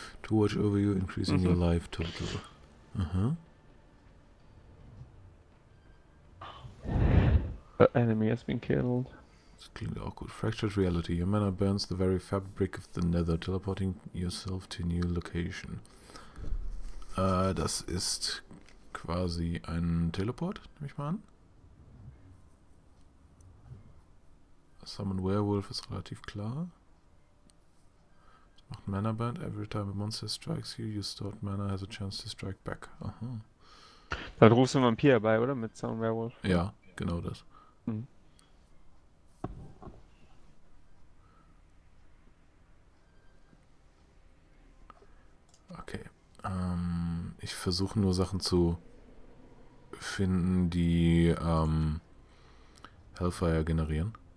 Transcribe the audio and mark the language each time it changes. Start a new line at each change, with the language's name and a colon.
English: To watch over you, increasing your life total. Enemy has been killed.
German: Das klingt auch gut. Fractured Reality.
English: Your mana burns the very fabric of the nether, teleporting yourself to a new location.
German: Das ist quasi ein Teleport, nehme ich mal an. Summon Werewolf ist relativ klar. Das macht Mana Burn.
English: Every time a monster strikes you, your stored mana has a chance to strike back. Aha.
German: Da rufst du einen Vampir bei, oder? Mit Summon Werewolf? Ja, genau das. Okay. Ich versuche nur Sachen zu finden, die Hellfire generieren.